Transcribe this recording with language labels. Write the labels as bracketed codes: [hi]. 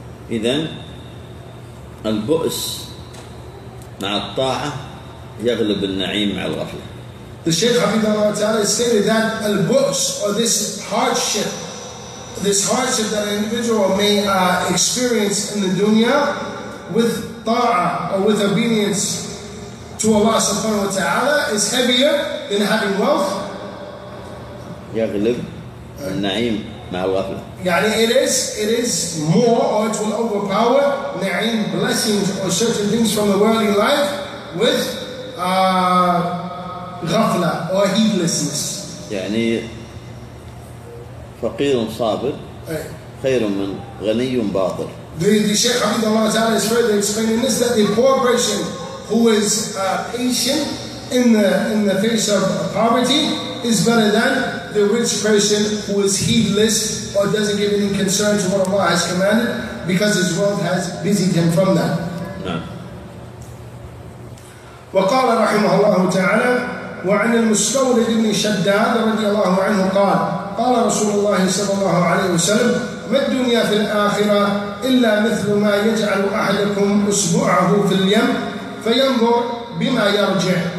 [ar] إذن البؤس مع الطاعة يغلب النعيم مع الغفلة. [en] The Shaykh Hafidh Allah Ta'ala stated that al-bu's, or this hardship that an individual may experience in the dunya with ta'a or with obedience to Allah Subhanahu wa Ta'ala, is heavier than having wealth. [ar] يغلب النعيم مع الغفلة. يعني [en] it is more, or it will overpower na'im, blessings or certain things from the worldly life with غفلة or heedlessness. [ar] يعني فقير صابر خير من غني باطر. [en] The Shaykh Hafidh Allah Ta'ala is further explaining this, that the poor person who is patient in the face of poverty is better than the rich person who is heedless or doesn't give any concern to what Allah has commanded, because his wealth has busied him from that. [ar] وقال رحمه الله تعالى وعن المستورد بن شداد رضي الله عنه قال قال رسول الله صلى الله عليه وسلم ما الدنيا في الآخرة إلا مثل ما يجعل أحدكم أسبوعه في اليم فينظر بما يرجع.